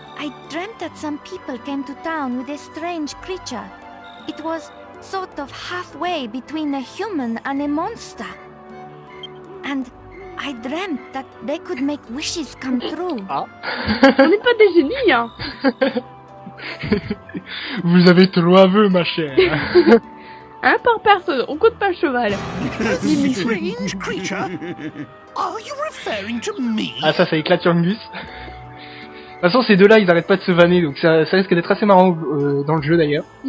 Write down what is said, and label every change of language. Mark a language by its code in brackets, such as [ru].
[en] I dreamt that some people came to town with a strange creature. It was sort of halfway between a human and a monster. And I dreamt that they could make wishes come true. Ah. [fr] On n'est pas des génies, hein. Vous avez trop à vœux, ma chère. Un par personne, on compte pas le cheval. [en] Strange creature. Are you referring to me? [fr] Ah, ça, ça éclate sur Angus. toute façon, ces deux-là, ils arrêtent pas de se vanner, donc ça, ça risque d'être assez marrant dans le jeu d'ailleurs.